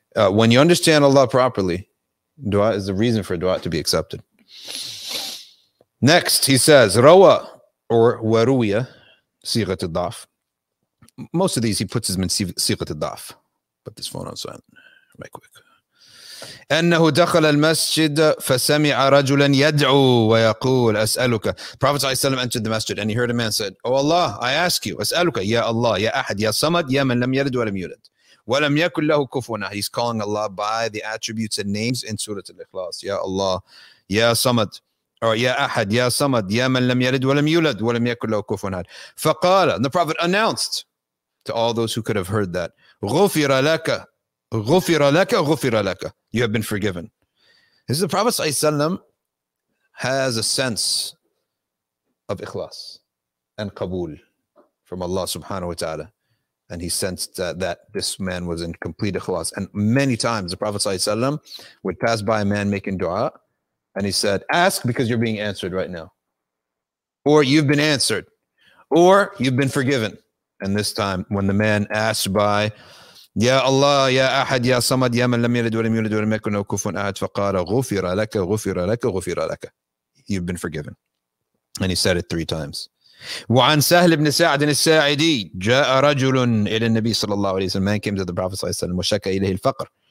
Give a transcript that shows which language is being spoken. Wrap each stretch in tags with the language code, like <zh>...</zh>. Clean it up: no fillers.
<en>When you understand Allah properly, dua is the reason for dua to be accepted. Next, he says, rawa or waruya, sigat al-daf. Most of these, he puts them in sigat al-daf. Put this phone on silent right quick.</en> <ar>أنه دخل المسجد فسمع رجلا يدعو ويقول أسألك.</ar> <en>Prophet ﷺ entered the masjid and he heard a man said, Oh Allah, I ask you,</en> <ar>أسألك, يا الله, يا أحد, يا صمد, يا من لم يلد ولم يولد. ولم يكن له كفوا.</ar> <en>He's calling Allah by the attributes and names in Surah Al-Ikhlas.</en> <ar>يا الله, يا صمد, or يا أحد, يا صمد, يا من لم يلد ولم يولد, ولم يكن له كفوا. فقال,</ar> <en>and the Prophet announced to all those who could have heard that,</en> <ar>غفر لك. غفر لك غفر لك.</ar> <en>You have been forgiven. This is the Prophet ﷺ has a sense of ikhlas and qabul from Allah subhanahu wa ta'ala. And he sensed that this man was in complete ikhlas. And many times the Prophet ﷺ would pass by a man making dua and he said, ask because you're being answered right now. Or you've been answered. Or you've been forgiven. And this time when the man asked by,</en> <ar>يا الله يا أحد يا صمد يا من لم يلد ولم يولد ولم يكن له كفوا أحد فقال غفر لك غفر لك غفر لك.</ar> <en>You've been forgiven. And he said it 3 times.</en> <ar>وعن سهل بن سعد الساعدي جاء رجل إلى النبي صلى الله عليه وسلم.</ar> <en>Man came to the Prophet</en> <ar>صلى الله عليه وسلم وشكى إليه الفقر.</ar>